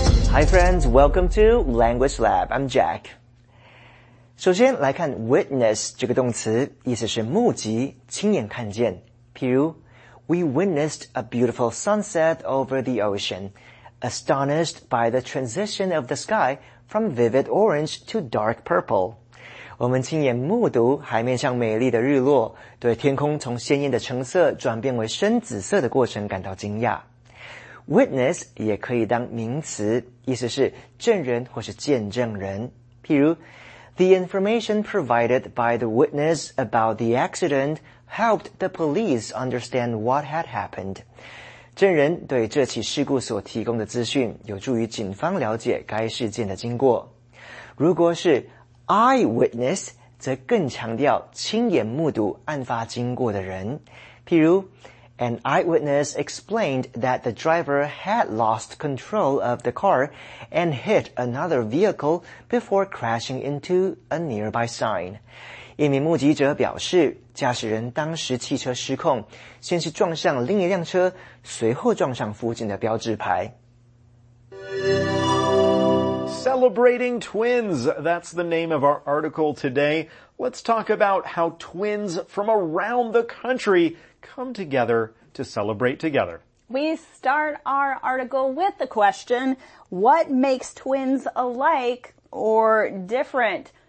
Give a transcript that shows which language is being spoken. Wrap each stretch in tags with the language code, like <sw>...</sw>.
<en>Hi friends, welcome to Language Lab. I'm Jack.</en> <zh>首先来看 witness 这个动词，意思是目击，亲眼看见。譬如</zh> <en>,We witnessed a beautiful sunset over the ocean. Astonished by the transition of the sky from vivid orange to dark purple.</en> <zh>我们亲眼目睹海面上美丽的日落，对天空从鲜艳的橙色转变为深紫色的过程感到惊讶。 Witness 也可以当名词，意思是证人或是见证人。譬如</zh> <en>,The information provided by the witness about the accident helped the police understand what had happened.</en> <zh>证人对这起事故所提供的资讯有助于警方了解该事件的经过。如果是 eyewitness, 则更强调亲眼目睹案发经过的人。譬如</zh> <en>,an eyewitness explained that the driver had lost control of the car and hit another vehicle before crashing into a nearby sign.</en> <zh>一名目击者表示，驾驶人当时汽车失控，先是撞上另一辆车，随后撞上附近的标志牌。</zh> <en>Celebrating twins, that's the name of our article today. Let's talk about how twins from around the country come together to celebrate together. We start our article with the question, what makes twins alike or different?</en>